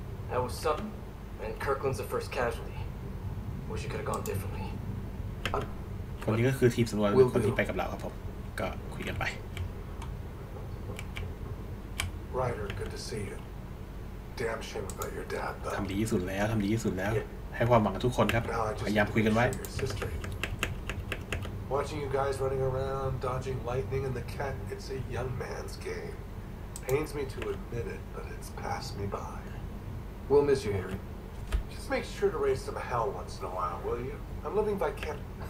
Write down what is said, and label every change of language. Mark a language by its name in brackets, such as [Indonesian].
[English] that was something and Kirkland's the first casualty wish you could have gone differently [Thai] คนนี้ก็คือทีมสำรวจคนที่ไปกับเราครับผมก็คุยกันไป [English] Ryder good to see you damn shame about your dad [Thai] ทำดีที่สุดแล้วทำดีที่สุดแล้วให้ความหวังกับทุกคนครับพยายามคุยกันไว้ [English] Watching you guys running around dodging lightning and the cat it's a young man's game pains me to admit it but it's passed me by We'll miss you Harry Just make sure to raise some hell once in a while will you I'm living by camp